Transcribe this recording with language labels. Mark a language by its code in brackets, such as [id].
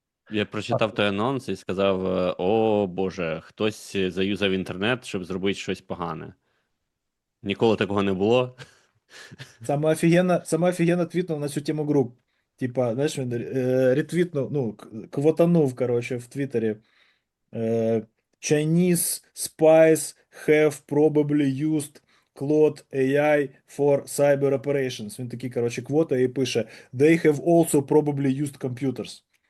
[uk] Я прочитав той анонс і сказав: о боже, хтось заюзав інтернет, щоб зробити щось погане. Ніколи такого не було. Саме офігенно твітнув на цю тему груп. Типа, знаєш, він ретвітнув, ну, квотанув, коротше, в Твіттері. [en] Chinese spies have probably used Claude AI for cyber operations. [uk] Він такий, коротше, квота і пише: [en] They have also probably used computers.